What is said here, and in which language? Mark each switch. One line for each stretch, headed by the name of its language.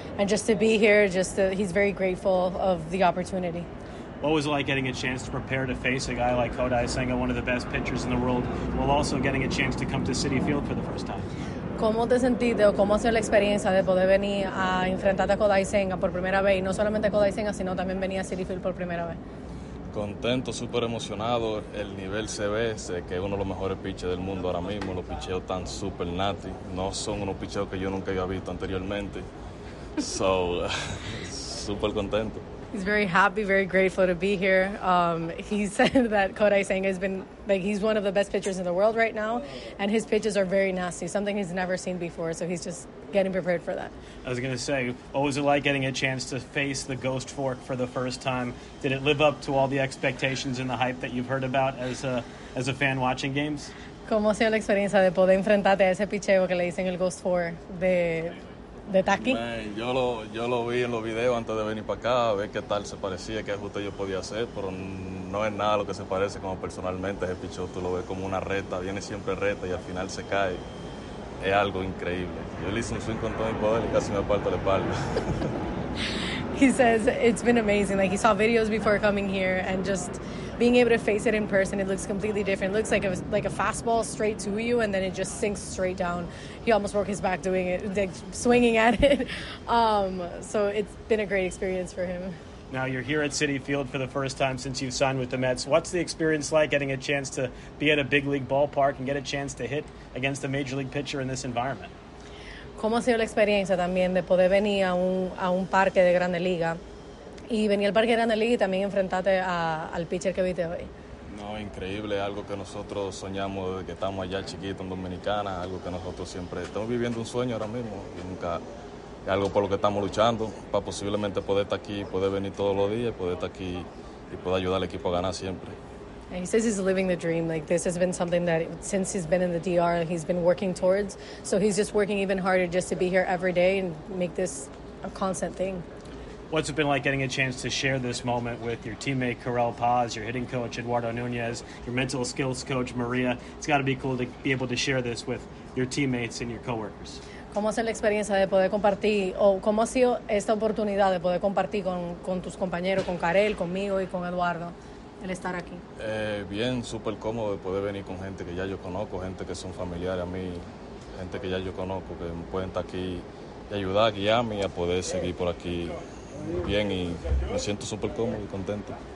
English: And just to be here, he's very grateful of the opportunity. What was it like getting a chance to prepare to face a guy like Kodai Senga, one of the best pitchers in the world, while also getting a chance to come to Citi Field for the first time?
Spanish: ¿Cómo te sentiste o cómo ha sido la experiencia de poder venir a enfrentarte a Kodai Senga por primera vez? Y no solamente a Kodai Senga, sino también venir a Citi Field por primera vez. Contento, súper emocionado, el nivel se ve, sé que es uno de los mejores pitchers del mundo ahora mismo, los picheos están súper nati, no son unos picheos que yo nunca había visto anteriormente, so, súper contento.
English: He's very happy, very grateful to be here. He said that Kodai Senga has been, like, he's one of the best pitchers in the world right now, and his pitches are very nasty, something he's never seen before, so he's just getting prepared for that. I was going to say, what was it like getting a chance to face the Ghost Fork for the first time? Did it live up to all the expectations and the hype that you've heard about as a fan watching games?
Spanish: ¿Cómo ha sido la experiencia de poder enfrentarte a ese picheo que le dicen el Ghost Fork de Taki? Man, yo lo vi en los videos antes de venir para acá, a ver qué tal se parecía, qué ajuste yo podía hacer, pero no es nada lo que se parece como personalmente ese picheo. Tú lo ves como una recta, viene siempre recta y al final se cae. Es algo increíble. Yo le hice un swing con todo mi poder y casi me parto la espalda.
English: He says it's been amazing. Like, he saw videos before coming here and just being able to face it in person, it looks completely different. It looks like a fastball straight to you, and then it just sinks straight down. He almost broke his back doing it, like swinging at it. So it's been a great experience for him. Now you're here at Citi Field for the first time since you've signed with the Mets. What's the experience like getting a chance to be at a big league ballpark and get a chance to hit against a major league pitcher in this environment?
Spanish: ¿Cómo ha sido la experiencia también de poder venir a un parque de Grande Liga? Y venía al parque Grande Liga y también enfrentaste al pitcher que viste hoy. No, increíble, algo que nosotros soñamos desde que estamos allá chiquitos en Dominicana, algo que nosotros siempre estamos viviendo un sueño ahora mismo, y nunca, algo por lo que estamos luchando, para posiblemente poder estar aquí, poder venir todos los días, poder estar aquí y poder ayudar al equipo a ganar siempre.
English: And he says he's living the dream. Like, this has been something that since he's been in the DR, he's been working towards. So he's just working even harder just to be here every day and make this a constant thing. What's it been like getting a chance to share this moment with your teammate, Karel Paz, your hitting coach, Eduardo Nunez, your mental skills coach, Maria? It's got to be cool to be able to share this with your teammates and your coworkers.
Spanish: ¿Cómo ha sido la experiencia de poder compartir, o cómo ha sido esta oportunidad de poder compartir con tus compañeros, con Karel, conmigo y con Eduardo, el estar aquí? Bien, súper cómodo de poder venir con gente que ya yo conozco, gente que son familiares a mí, gente que ya yo conozco, que me pueden estar aquí y ayudar, guiarme y a poder seguir por aquí bien, y me siento súper cómodo y contento.